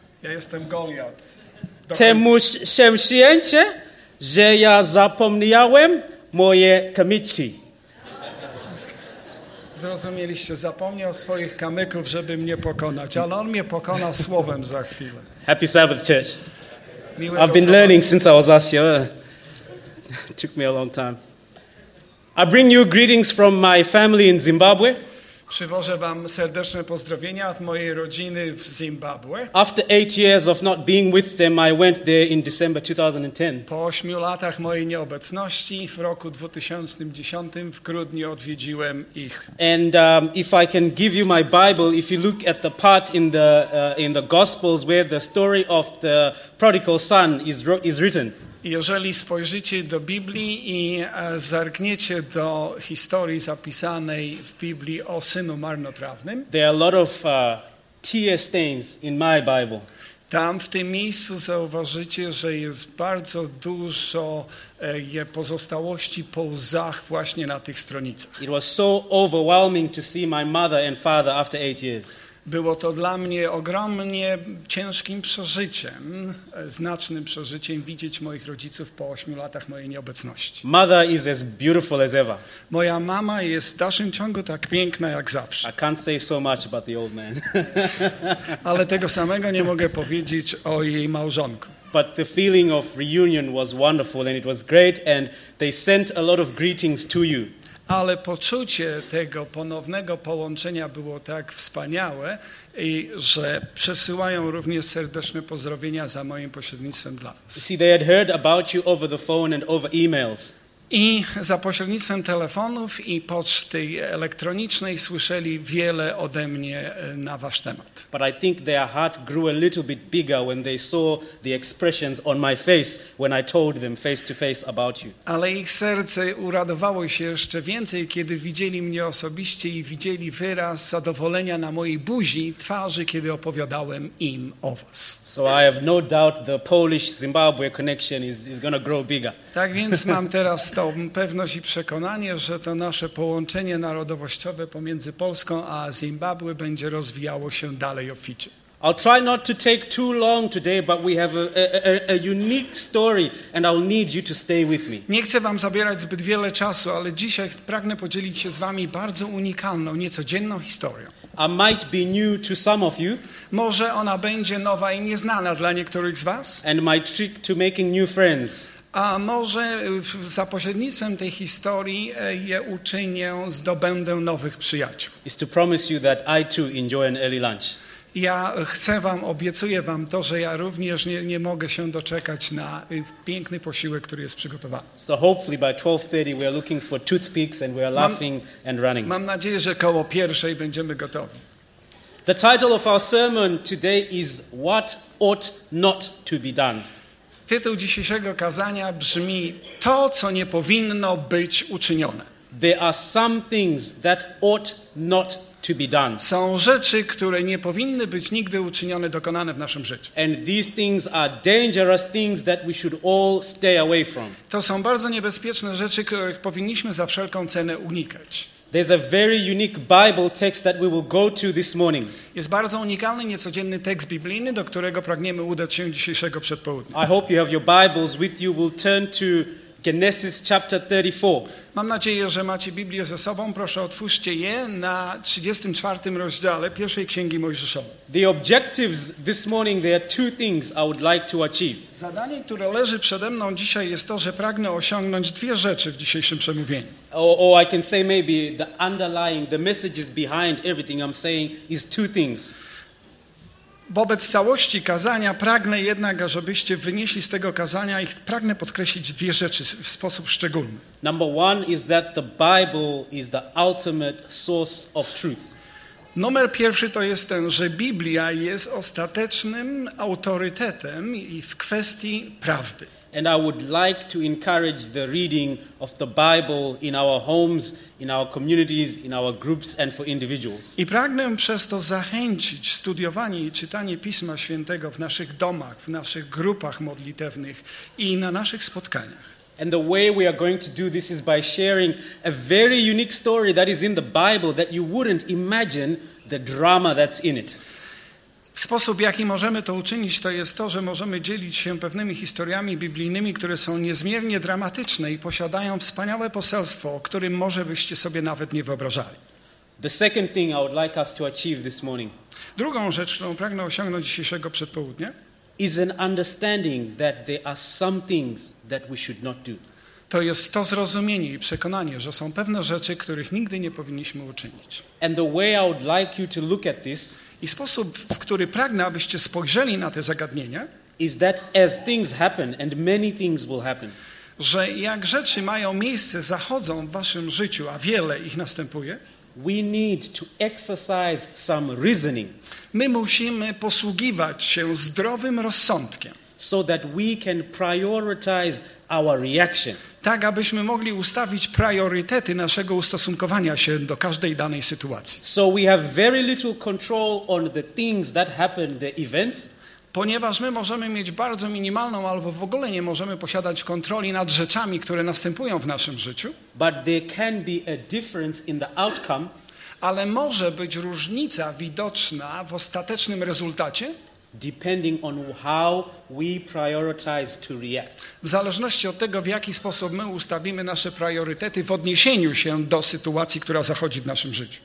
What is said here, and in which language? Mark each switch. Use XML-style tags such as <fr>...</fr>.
<pl>Ja jestem Goliat. Temu się przyjęcie, że ja zapomniałem moje kamyczki. Zrozumieliście, zapomniał swoich kamyków, żeby mnie pokonać, ale on mnie pokona słowem za chwilę.</pl> <en>Happy Sabbath, church.</en> <pl>Miłego</pl> <en>I've been learning since I was last year. Took me a long time. I bring you greetings from my family in Zimbabwe.</en> <pl>Przywożę wam serdeczne pozdrowienia od mojej rodziny w Zimbabwe.</pl> <en>After 8 years of not being with them, I went there in December 2010.</en> <pl>Po 8 latach mojej nieobecności w roku 2010 w grudniu odwiedziłem ich.</pl> <en>And if I can give you my Bible, if you look at the part in the Gospels where the story of the prodigal son is written.</en> <pl>Jeżeli spojrzycie do Biblii i zerkniecie do historii zapisanej w Biblii o synu marnotrawnym,</pl> <en>there are a lot of tear stains in my Bible.</en> <pl>Tam w tym miejscu zauważycie, że jest bardzo dużo pozostałości po łzach właśnie na tych stronicach.</pl> <en>It was so overwhelming to see my mother and father after 8 years.</en> <pl>Było to dla mnie ogromnie ciężkim przeżyciem, znacznym przeżyciem widzieć moich rodziców po 8 latach mojej nieobecności.</pl> <en>Mother is as beautiful as ever.</en> <pl>Moja mama jest w dalszym ciągu tak piękna jak zawsze.</pl> <en>I can't say so much about the old man.</en> <pl>Ale tego samego nie mogę powiedzieć o jej małżonku.</pl> <en>But the feeling of reunion was wonderful and it was great and they sent a lot of greetings to you.</en> <pl>Ale poczucie tego ponownego połączenia było tak wspaniałe, że przesyłają również serdeczne pozdrowienia za moim pośrednictwem dla nas.</pl> <en>See, they had heard about you over the phone and over emails.</en> <pl>I za pośrednictwem telefonów i poczty elektronicznej słyszeli wiele ode mnie na wasz temat.</pl> <en>But I think their heart grew a little bit bigger when they saw the expressions on my face when I told them face to face about you.</en> <pl>Ale ich serce uradowało się jeszcze więcej, kiedy widzieli mnie osobiście i widzieli wyraz zadowolenia na mojej buzi, twarzy, kiedy opowiadałem im o was.</pl> <en>So I have no doubt the Polish-Zimbabwe connection is going to grow bigger.</en> <pl>Tak więc mam teraz tą pewność i przekonanie, że to nasze połączenie narodowościowe pomiędzy Polską a Zimbabwe będzie rozwijało się dalej obficie.</pl> <en>I'll try not to take too long today, but we have a unique story and I'll need you to stay with me.</en> <pl>Nie chcę wam zabierać zbyt wiele czasu, ale dzisiaj pragnę podzielić się z wami bardzo unikalną, niecodzienną historią.</pl> <en>I might be new to some of you.</en> <pl>Może ona będzie nowa i nieznana dla niektórych z was.</pl> <en>And my trick to making new friends.</en> <pl>A może za pośrednictwem tej historii je uczynię, zdobędę nowych przyjaciół.</pl> <en>Is to promise you that I too enjoy an early lunch.</en> <pl>Ja chcę wam, obiecuję wam to, że ja również nie mogę się doczekać na piękny posiłek, który jest przygotowany.</pl> <en>So hopefully by 12:30 we are looking for toothpicks and we are laughing and running.</en> <pl>Mam nadzieję, że koło pierwszej będziemy gotowi.</pl> <en>The title of our sermon today is What Ought Not to Be Done.</en> <pl>Tytuł dzisiejszego kazania brzmi To, co nie powinno być uczynione.</pl> <en>There are some things that ought not to be done.</en> <pl>Są rzeczy, które nie powinny być nigdy uczynione, dokonane w naszym życiu.</pl> <en>And these things are dangerous things that we should all stay away from.</en> <pl>To są bardzo niebezpieczne rzeczy, których powinniśmy za wszelką cenę unikać.</pl> <en>There's a very unique Bible text that we will go to this morning.</en> <pl>Jest bardzo unikalny, niecodzienny tekst biblijny, do którego pragniemy udać się dzisiejszego przedpołudnia.</pl> <en>I hope you have your Bibles with you. We'll turn to Genesis chapter 34.</en> <pl>Mam nadzieję, że macie Biblię ze sobą. Proszę, otwórzcie je na 34 rozdziale pierwszej księgi Mojżeszowej.</pl> <en>The objectives this morning, there are two things I would like to achieve.</en> <pl>Zadanie, które leży przede mną dzisiaj, jest to, że pragnę osiągnąć dwie rzeczy w dzisiejszym przemówieniu.</pl> <en>Or I can say maybe the underlying, the messages behind everything I'm saying is two things.</en> <pl>Wobec całości kazania pragnę jednak, żebyście wynieśli z tego kazania i pragnę podkreślić dwie rzeczy w sposób szczególny.</pl> <en>Number one is that the Bible is the ultimate source of truth.</en> <pl>Numer pierwszy to jest ten, że Biblia jest ostatecznym autorytetem i w kwestii prawdy.</pl> <en>And I would like to encourage the reading of the Bible in our homes, in our communities, in our groups and for individuals.</en> <pl>I pragnę przez to zachęcić studiowanie i czytanie Pisma Świętego w naszych domach, w naszych grupach modlitewnych i na naszych spotkaniach.</pl> <en>And the way we are going to do this is by sharing a very unique story that is in the Bible that you wouldn't imagine the drama that's in it.</en> <pl>Sposób, w jaki możemy to uczynić, to jest to, że możemy dzielić się pewnymi historiami biblijnymi, które są niezmiernie dramatyczne i posiadają wspaniałe poselstwo, o którym może byście sobie nawet nie wyobrażali.</pl> <en>The second thing I would like us to achieve this morning.</en> <pl>Drugą rzecz, którą pragnę osiągnąć dzisiejszego przedpołudnia,</pl> <en>is an understanding that there are some things that we should not do.</en> <pl>To jest to zrozumienie i przekonanie, że są pewne rzeczy, których nigdy nie powinniśmy uczynić.</pl> <en>And the way I would like you to look at this,</en> <pl>i sposób, w który pragnę, abyście spojrzeli na te zagadnienia,</pl> <en>is that as things happen and many things will happen,</en> <pl>że jak rzeczy mają miejsce, zachodzą w waszym życiu, a wiele ich następuje,</pl> <en>we need to exercise some reasoning.</en> <pl>My musimy posługiwać się zdrowym rozsądkiem,</pl> <en>so that we can prioritize our reaction.</en> <pl>Tak, abyśmy mogli ustawić priorytety naszego ustosunkowania się do każdej danej sytuacji.</pl> <en>So we have very little control on the things that happen, the events.</en> <pl>Ponieważ my możemy mieć bardzo minimalną albo w ogóle nie możemy posiadać kontroli nad rzeczami, które następują w naszym życiu.</pl> <en>But there can be a difference in the outcome.</en> <pl>Ale może być różnica widoczna w ostatecznym rezultacie.</pl> <en>Depending on how we prioritize to react.</en> <pl>W zależności od tego, w jaki sposób my ustawimy nasze priorytety w odniesieniu się do sytuacji, która zachodzi w naszym życiu.</pl>